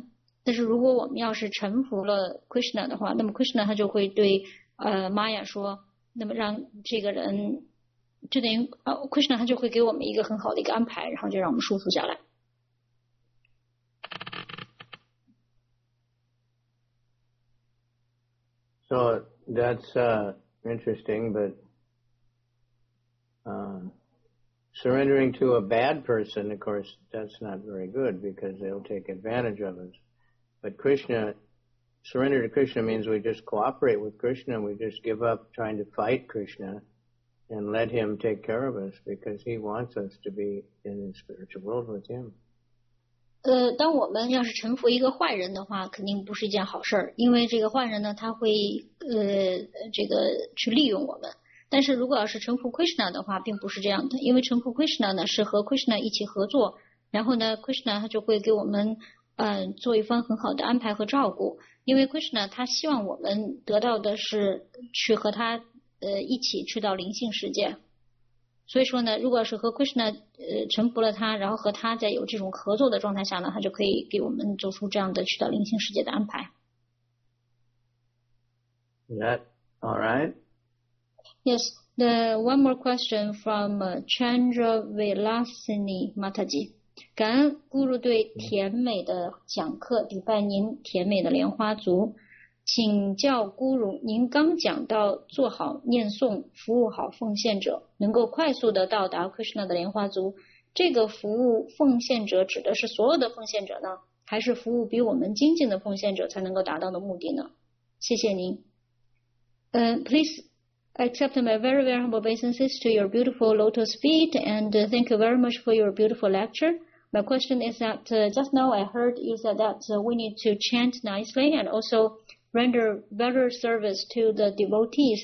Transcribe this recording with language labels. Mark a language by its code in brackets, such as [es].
[zh] 那就比如说我们如果是被人给抓起来了，然后呢被人家一通毒打，那么当人在打我们的时候呢，我们感到很痛苦，那这会儿应该怎么办呢？如果你要是这会儿要是臣服了，你就不被挨打了，不被挨打以后呢，就感觉就舒服了。那么当我们现在这个状态就是我们在和玛雅在使劲进行着这种抗争，然后玛雅在不断的在抽打着我们，但是如果我们要是臣服了 Krishna 的话，那么Krishna他就会对玛雅说，那么让这个人，就等于Krishna 他就会给我们一个很好的一个安排，然后就让我们舒服下来。So [en] that's interesting, but surrendering to a bad person, of course, that's not very good because they'll take advantage of us. But Krishna, surrender to Krishna means we just cooperate with Krishna. We just give up trying to fight Krishna. And let him take care of us because he wants us to be in the spiritual world with him. [zh] 当我们要是臣服一个坏人的话，肯定不是一件好事儿，因为这个坏人呢，他会这个去利用我们。但是如果要是臣服 Krishna 的话，并不是这样的，因为臣服 Krishna 呢是和 Krishna 一起合作，然后呢 ，Krishna 他就会给我们做一番很好的安排和照顾，因为 Krishna 他希望我们得到的是去和他一起去到灵性世界。所以说呢，如果是和 Krishna 臣服了他，然后和他在有这种合作的状态下呢，他就可以给我们做出这样的去到灵性世界的安排。 [en] Yeah, all right. Yes, the one more question from Chandra Vilasini Mataji. [zh] 感恩咕噜对甜美的讲课，礼拜您甜美的莲花族。请教咕噜，您刚讲到做好念诵，服务好奉献者，能够快速的到达 Krishna 的莲花族。这个服务奉献者指的是所有的奉献者呢，还是服务比我们精进的奉献者才能够达到的目的呢？谢谢您。 [en] Please accept my very very humble obeisances to your beautiful lotus feet, and thank you very much for your beautiful lecture. My question is that just now I heard you said that we need to chant nicely and also render better service to the devotees.